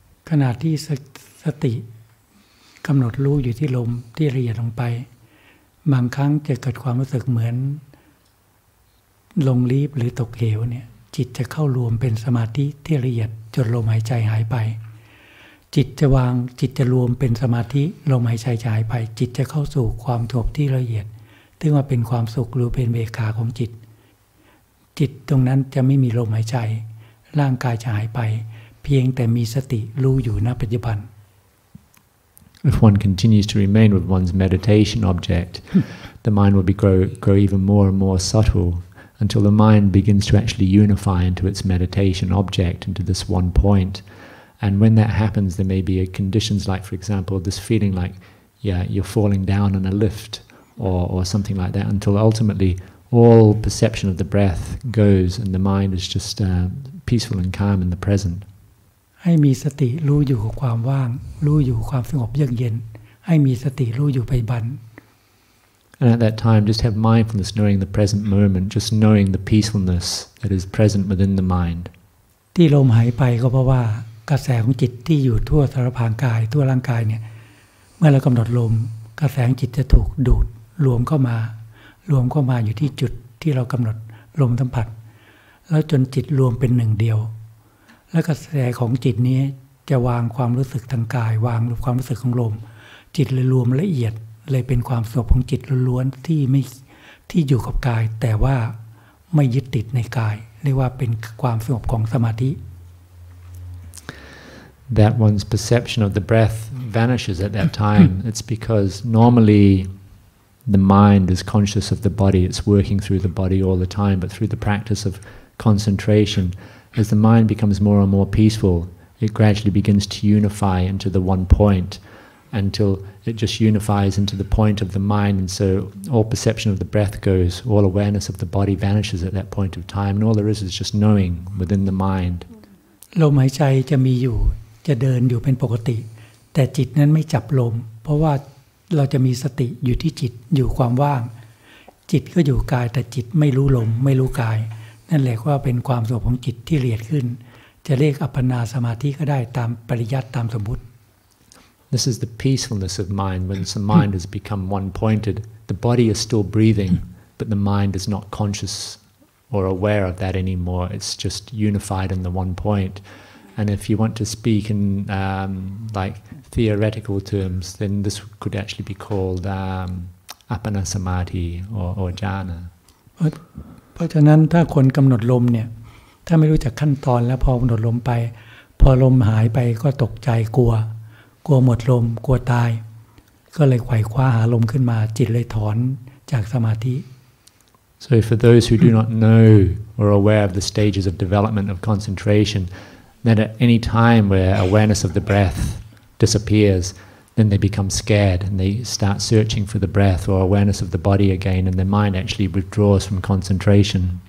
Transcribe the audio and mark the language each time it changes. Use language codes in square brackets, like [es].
[th] ขณะที่สติกำหนดรู้อยู่ที่ลมที่ละเอียดลงไปบางครั้งจะเกิดความรู้สึกเหมือนลงรีบหรือตกเหวเนี่ยจิตจะเข้ารวมเป็นสมาธิที่ละเอียดจนลมหายใจหายไป จิตจะวางจิตจะรวมเป็นสมาธิลมหายใจหายไปจิตจะเข้าสู่ความสงบที่ละเอียดซึ่งว่าเป็นความสุขหรือเป็นเบคาของจิตจิตตรงนั้นจะไม่มีลมหายใจร่างกายจะหายไปเพียงแต่มีสติรู้อยู่ณปัจจุบัน [en] If one continues to remain with one's meditation object the mind will be grow even more and more subtleUntil the mind begins to actually unify into its meditation object, into this one point. And when that happens, there may be conditions like, for example, this feeling like, yeah, you're falling down on a lift or something like that, until ultimately all perception of the breath goes and the mind is just peaceful and calm in the present. [th] ให้มีสติรู้อยู่กับความว่างรู้อยู่ความสงบเยือกเย็นให้มีสติรู้อยู่ปัจจุบัน [en] And at that time, just have mindfulness, knowing the present moment, just knowing the peacefulness that is present within the mind. [th] ที่ลมหายไปก็เพราะว่ากระแสของจิตที่อยู่ทั่วสารพางกายทั่วร่างกายเนี่ยเมื่อเรากำหนดลมกระแสจิตจะถูกดูดรวมเข้ามา อยู่ที่จุดที่เรากำหนดลมสัมผัสแล้วจนจิตรวมเป็นหนึ่งเดียวแล้วกระแสของจิตนี้จะวางความรู้สึกทางกายวางความรู้สึกของลมจิตเลยรวมละเอียดเลยเป็นความสงบของจิตล้วนๆที่อยู่กับกายแต่ว่าไม่ยึดติดในกายเรียกว่าเป็นความสงบของสมาธิ [en] That one's perception of the breath vanishes at that time it's because normally the mind is conscious of the body it's working through the body all the time but through the practice of concentration as the mind becomes more and more peaceful it gradually begins to unify into the one pointUntil it just unifies into the point of the mind, and so all perception of the breath goes, all awareness of the body vanishes at that point of time, and all there is just knowing within the mind. [th] ลมหายใจจะมีอยู่จะเดินอยู่เป็นปกติแต่จิตนั้นไม่จับลมเพราะว่าเราจะมีสติอยู่ที่จิตอยู่ความว่างจิตก็อยู่กายแต่จิตไม่รู้ลมไม่รู้กายนั่นแหละว่าเป็นความสงบของจิตที่ละเอียดขึ้นจะเรียกอัปปนาสมาธิก็ได้ตามปริยัติตามสมมุติ [en] This is the peacefulness of mind when some mind has become one-pointed. The body is still breathing, but the mind is not conscious or aware of that anymore. It's just unified in the one point. And if you want to speak in like theoretical terms, then this could actually be called apana samadhi or jhana. [th] เพราะฉะนั้นถ้าคนกำหนดลมเนี่ยถ้าไม่รู้จักขั้นตอนแล้วพอกำหนดลมไปพอลมหายไปก็ตกใจกลัวกลัวหมดลมกลัวตายก็เลยไขว่คว้าหาลมขึ้นมาจิตเลยถอนจากสมาธิ. [en] So for those who do not know or are aware of the stages of development of concentration, then at any time where awareness of the breath disappears, then they become scared and they start searching for the breath or awareness of the body again, and their mind actually withdraws from concentration.